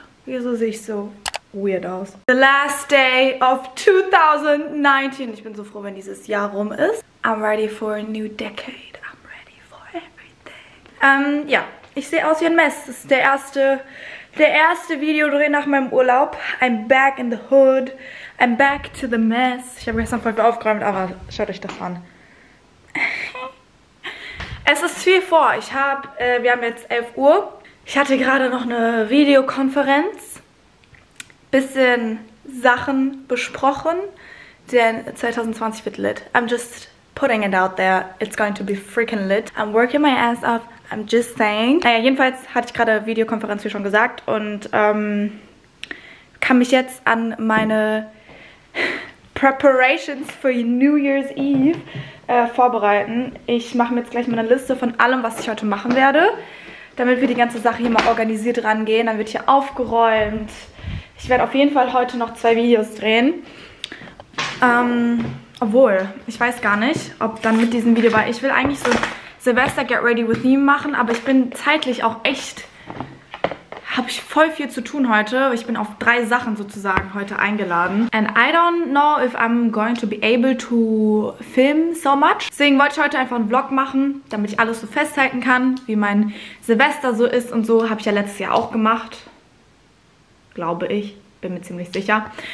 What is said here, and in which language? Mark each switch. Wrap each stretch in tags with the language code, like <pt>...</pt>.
<de>Wieso sehe ich so weird aus?</de> <en>The last day of 2019.</en> <de>Ich bin so froh, wenn dieses Jahr rum ist.</de> <en>I'm ready for a new decade. I'm ready for everything.</en> <de>Ja, ich sehe aus wie ein Mess. Das ist der erste Videodreh nach meinem Urlaub.</de> <en>I'm back in the hood. I'm back to the mess.</en> <de>Ich habe gestern voll aufgeräumt, aber schaut euch das an. Es ist viel vor. Wir haben jetzt 11 Uhr. Ich hatte gerade noch eine Videokonferenz. Bisschen Sachen besprochen. Denn 2020 wird lit.</de> <en>I'm just putting it out there. It's going to be freaking lit. I'm working my ass off. I'm just saying.</en> <de>Naja, jedenfalls hatte ich gerade Videokonferenz, wie schon gesagt. Und kann mich jetzt an meine</de> <en>Preparations for New Year's Eve</en> <de>vorbereiten. Ich mache mir jetzt gleich mal eine Liste von allem, was ich heute machen werde, damit wir die ganze Sache hier mal organisiert rangehen. Dann wird hier aufgeräumt. Ich werde auf jeden Fall heute noch 2 Videos drehen. Obwohl, ich weiß gar nicht, ob dann mit diesem Video, weil ich will eigentlich so Silvester Get Ready With Me machen, aber ich bin zeitlich auch echt, habe ich voll viel zu tun heute. Ich bin auf 3 Sachen sozusagen heute eingeladen.</de> <en>And I don't know if I'm going to be able to film so much.</en> <de>Deswegen wollte ich heute einfach einen Vlog machen, damit ich alles so festhalten kann, wie mein Silvester so ist und so. Habe ich ja letztes Jahr auch gemacht. Glaube ich. Bin mir ziemlich sicher.</de>